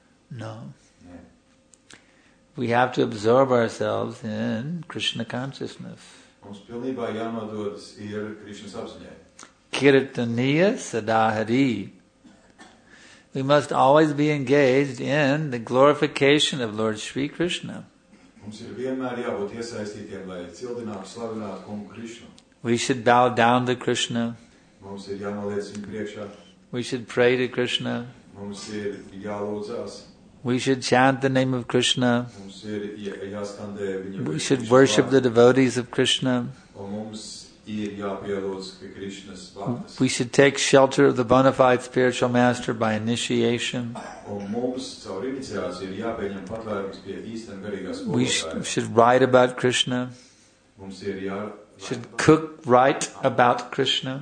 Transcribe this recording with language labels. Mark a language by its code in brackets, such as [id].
[en] No. We have to absorb ourselves in Krishna consciousness. [lv] Mums pilnībā jānododas ir Krishna apziņai. [sa] Kirtaniya sadahari. [en] We must always be engaged in the glorification of Lord Sri Krishna. [lv] Mums ir vienmēr jābūt iesaistītiem, lai cildinātu, slavinātu kungu Krishna. [en] We should bow down to Krishna. [lv] Mums ir jānoliec viņu priekšā. [en] We should pray to Krishna. [lv] Mums ir jālūdzās. [en] We should chant the name of Krishna. [lv] Mums ir jāskandē viņu. [en] We should worship the devotees of Krishna. [lv] Un mums ir jāpielūdz Krishnas vārdus. [en] We should take shelter of the bona fide spiritual master by initiation. [lv] Un mums caur iniciāciju ir jāpieņem patvērums pie īstām garīgās skolas. [en] We should write about Krishna. [lv] Mums ir jā. [en] Should cook, write about Krishna.